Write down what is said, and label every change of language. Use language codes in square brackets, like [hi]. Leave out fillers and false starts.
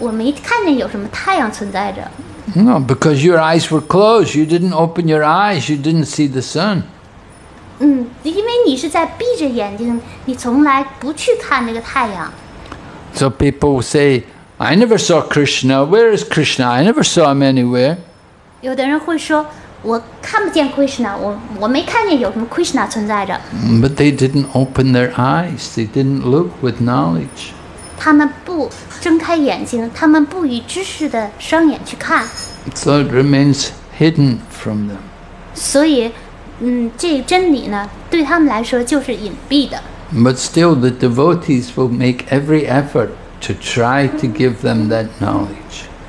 [zh] 其他的鸟会过来跟那个猫头鹰说，太阳特别的璀璨光明。猫头鹰会说，不，我没看见有什么太阳存在着。No, [en] because your eyes were closed. You didn't open your eyes. You didn't see the sun. [zh] 因为你是在闭着眼睛，你从来不去看那个太阳。 [en] So people will say, I never saw Krishna. Where is Krishna? I never saw him anywhere. [zh] 有的人会说，我看不见Krishna，我没看见有什么Krishna存在着。 [en] But they didn't open their eyes. They didn't look with knowledge. [zh] 他们不睁开眼睛，他们不以知识的双眼去看。 [en] So it remains hidden from them. [zh] 所以，这真理呢，对他们来说就是隐蔽的。 [en] But still, the devotees will make every effort to try to give them that knowledge.